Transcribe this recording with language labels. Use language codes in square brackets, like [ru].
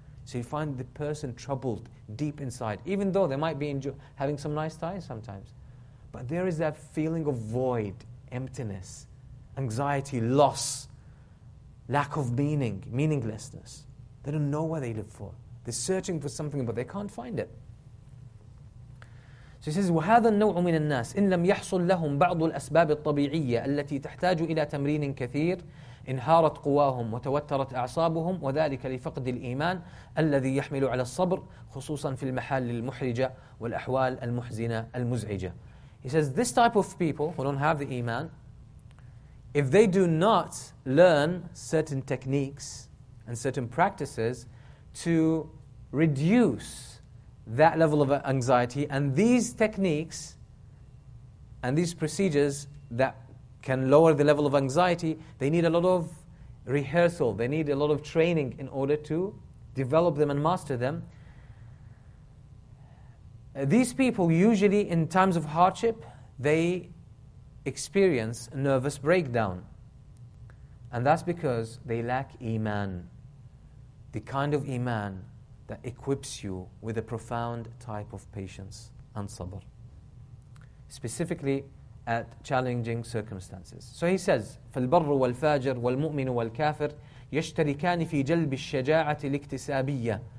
[en] So you find the person troubled deep inside, even though they might be having some nice times sometimes. But there is that feeling of void, emptiness, anxiety, loss, lack of meaning, meaninglessness. They don't know what they live for. They're searching for something, but they can't find it. So he says, [ar] وَهَذَا النَّوْعُ مِنَ النَّاسِ إِنْ لَمْ يَحْصُلْ لَهُمْ بَعْضُ الْأَسْبَابِ الطَّبِيعِيَّةِ الَّتِي تَحْتَاجُ إِلَى تَمْرِينٍ كَثِيرٍ انهارت قواهم وتوترت أعصابهم وذلك لفقد الإيمان الذي يحمل على الصبر خصوصا في المحال المحرجة والأحوال المحزنة المزعجة. [en] He says this type of people who don't have the Iman, if they do not learn certain techniques and certain practices to reduce that level of anxiety, and these techniques and these procedures that can lower the level of anxiety, they need a lot of rehearsal, they need a lot of training in order to develop them and master them. These people usually, in times of hardship, they experience a nervous breakdown. And that's because they lack Iman, the kind of Iman that equips you with a profound type of patience and sabr, specifically at challenging circumstances. So he says, [ar] فَالْبَرُّ وَالْفَاجِرُ وَالْمُؤْمِنُ وَالْكَافِرُ يَشْتَرِكَانِ فِي جَلْبِ الشَّجَاعَةِ الْإِكْتِسَابِيَّةِ.